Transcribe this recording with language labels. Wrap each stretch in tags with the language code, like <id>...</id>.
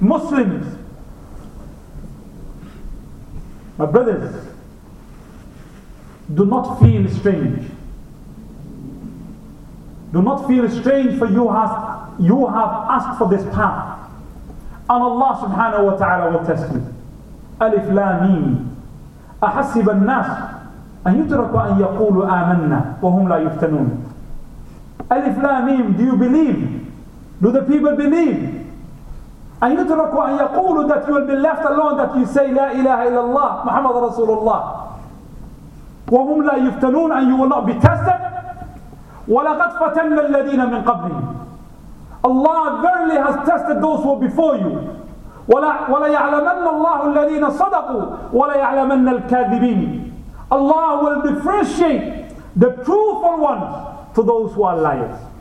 <en>Muslims, my brothers, do not feel strange. Do not feel strange, for you have asked for this path. And Allah subhanahu wa ta'ala will test you. Alif lam mim.</en> <ar>أحسب الناس أن يتركوا أن يقولوا آمنا وهم لا يفتنون.</ar> <en>Alif lam mim. Do you believe? Do the people believe?</en> <ar>أن يتركوا أن يقولوا,</ar> <en>that you will be left alone, that you say</en> <ar>لا إله إلا الله محمد رسول الله. وهم لا يفتنون,</ar> <en>and you will not be tested.</en> <ar>وَلَقَدْ فَتَنَّ الَّذِينَ مِنْ قَبْلِهِ.</ar> <en>Allah verily has tested those who are before you.</en> <ar>وَلَيَعْلَمَنَّ اللَّهُ الَّذِينَ صَدَقُوا وَلَيَعْلَمَنَّ الْكَاذِبِينَ.</ar> <en>Allah will differentiate the truthful ones to those who are liars.</en>